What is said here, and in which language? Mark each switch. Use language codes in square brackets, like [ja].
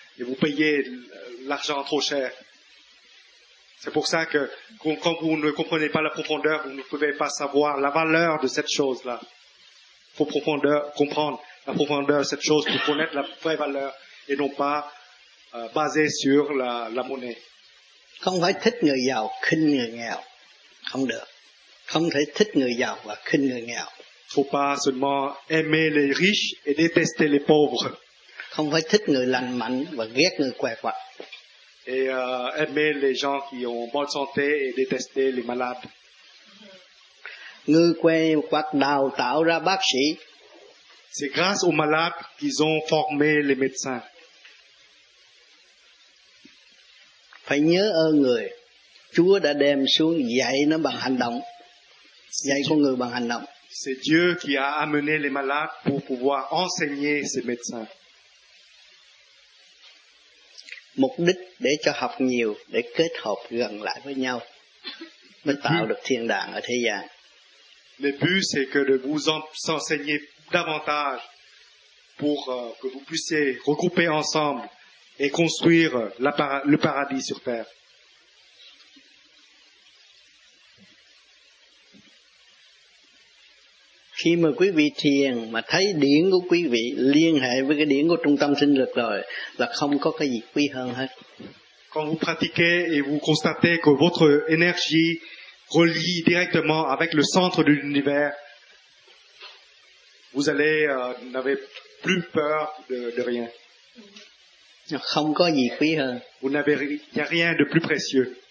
[fr] Et vous payez l'argent trop cher. C'est pour ça que quand vous ne comprenez pas la profondeur, vous ne pouvez pas savoir la valeur de cette chose-là. Il faut profondeur, comprendre la profondeur de cette chose pour connaître la vraie valeur et non pas basé sur la monnaie. [vi] Không phải thích người giàu, khinh người nghèo. Không được. Không thể thích người giàu và khinh người nghèo. [fr] Il ne faut pas seulement aimer les riches et détester les pauvres. [vi] Không phải thích người lành mạnh và ghét người què quặt. [fr] Et aimer les gens qui ont bonne santé et détester les malades. [vi] Người què quặt đào tạo ra bác sĩ. [fr] C'est grâce aux malades qu'ils ont formé les médecins. [vi] Phải nhớ ơn người. Chúa đã đem xuống dạy nó bằng hành động. Dạy con người bằng hành động. [fr] C'est Dieu qui a amené les malades pour pouvoir enseigner ces médecins. [vi] Mục đích để cho học nhiều, để kết hợp gần lại với nhau, mới tạo được thiên đàng ở thế gian. [fr] Le but c'est que de vous enseigner davantage pour que vous puissiez regrouper ensemble et construire le paradis sur terre. [vi] Khi mà quý vị thiền mà thấy điển của quý vị liên hệ với cái điển của trung tâm sinh lực rồi, là không có cái gì quý hơn hết. [fr] Quand vous pratiquez et vous constatez que votre énergie relie directement avec le centre de l'univers, vous allez n'avez plus peur de rien. [vi] Không có gì quý hơn. [fr] Vous n'avez rien de plus précieux.